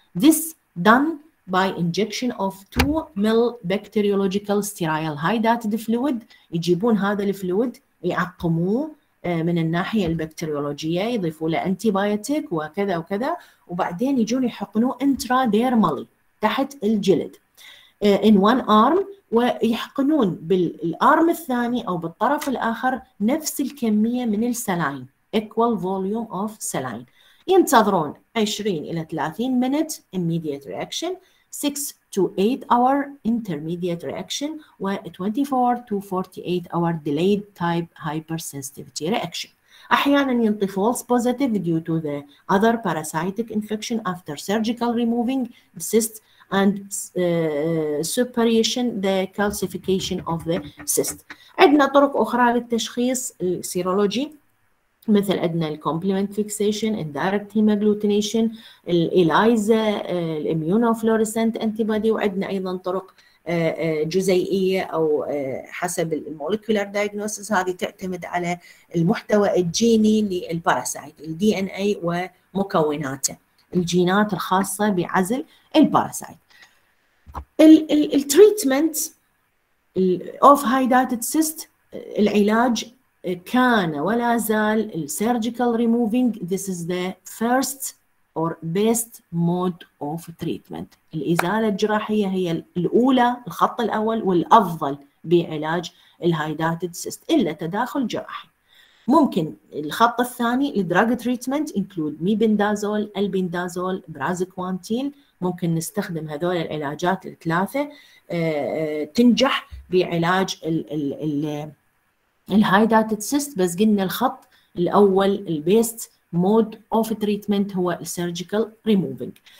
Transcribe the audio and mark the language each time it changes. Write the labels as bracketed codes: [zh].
[en] This done by injection of 2 ml bacteriological sterile hydated fluid. [ar] يجيبون هذا الفلويد يعقموه من الناحية البكتيريولوجية، يضيفوا له antibiotic وكذا وكذا، وبعدين يجون يحقنوه [en] intradermally [ar] تحت الجلد [en] in one arm، [ar] ويحقنون بالارم الثاني أو بالطرف الآخر نفس الكمية من السلاين [en] equal volume of saline. [ar] ينتظرون 20 إلى [en] 30 minute immediate reaction، 6 to 8 hour intermediate reaction، و 24 to 48 hour delayed type hypersensitivity reaction. [ar] احيانا ينطي [en] false positive due to the other parasitic infection after surgical removing the cyst and suppuration the calcification of the cyst. عندنا طرق اخرى للتشخيص السيرولوجي، مثل عندنا الكومبلمنت فيكسيشن، اندايركت هيماجلوتينيشن، الاليزا، الاميونوفلوريسنت انتي بودي، وعندنا ايضا طرق جزيئيه او حسب المولكيولر دايجنوسيس، هذه تعتمد على المحتوى الجيني للباراسايت الدي ان اي ومكوناته، الجينات الخاصه بعزل الباراسايت. التريتمنت اوف هايدايتد سيست، [ar] العلاج كان ولا زال الـ [en] surgical removing. This is the first or best mode of treatment. [ar] الإزالة الجراحية هي الأولى، الخط الأول والأفضل بعلاج الهايداتد سيست إلا تداخل جراحي. ممكن الخط الثاني الـ [en] drug treatment include [ar] ميبندازول، البندازول، برازكوانتين. ممكن نستخدم هذول العلاجات الثلاثة تنجح بعلاج الـ الهايداتد سيست، بس قلنا الخط الاول [en] البيست مود اوف تريتمنت [ar] هو السيرجيكال ريموفينج.